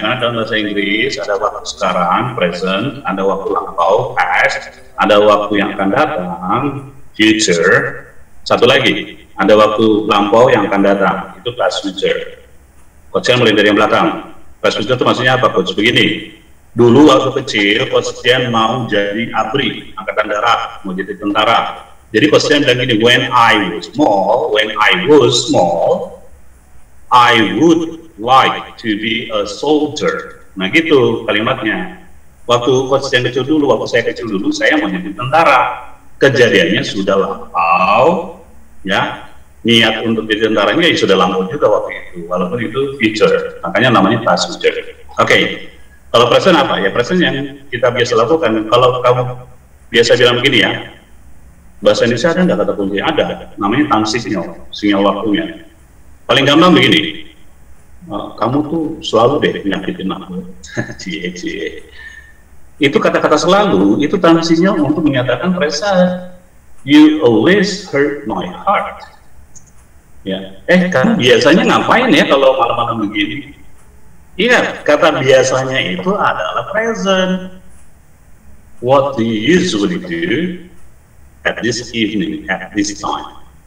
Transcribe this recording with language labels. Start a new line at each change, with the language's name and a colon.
Indonesian: Karena dalam bahasa Inggris ada waktu sekarang, present, ada waktu lampau, past, ada waktu yang akan datang, future. Satu lagi, ada waktu lampau yang akan datang, itu past future. Coach yang mulai dari yang belakang. Past future itu maksudnya apa, coach? Begini. Dulu waktu kecil, Coach Jen mau jadi ABRI, angkatan darat, mau jadi tentara. Jadi Coach Jen bilang gini,
English: when I was small, I would like to be a soldier.
Indonesian: Nah gitu kalimatnya. Waktu Coach Jen kecil dulu, waktu saya kecil dulu, saya mau jadi tentara. Kejadiannya sudah lampau, ya. Niat untuk jadi tentaranya sudah lampau juga waktu itu, walaupun itu future. Makanya namanya past future. Oke. Kalau present apa? Ya present yang kita biasa lakukan. Kalau kamu biasa bilang begini ya, bahasa Indonesia ada nggak kata kunci? Ada, namanya tansi sinyal, sinyal waktunya. Paling gampang begini, kamu tuh selalu deh nyakitin aku. Cie, cie. Itu kata-kata selalu, itu tansi sinyal untuk menyatakan present.
English: You always hurt my heart. Ya.
Indonesian: Eh, kan biasanya ngapain ya kalau malam-malam begini? Ingat, kata biasanya itu adalah present.
English: What do you usually do at this evening, at this time?